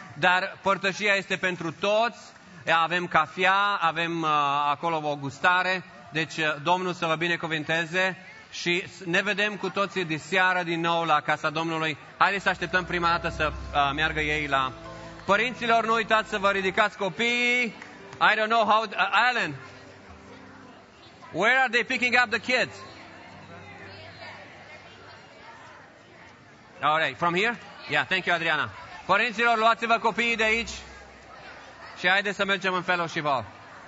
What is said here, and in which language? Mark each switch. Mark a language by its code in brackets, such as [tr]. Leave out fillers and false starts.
[ro] Dar părtășia este pentru toți. Avem cafea, avem acolo o gustare. Deci Domnul să vă binecuvinteze. Și ne vedem cu toții de seară din nou la Casa Domnului. Haideți să așteptăm prima dată să meargă ei la... Părinților, nu uitați să vă ridicați copiii. [en] I don't know how... Alan, where are they picking up the kids? All right, from here? Yeah, thank you, Adriana. [ro] Părinților, luați-vă copiii de aici și haideți să mergem în Fellowship Hall.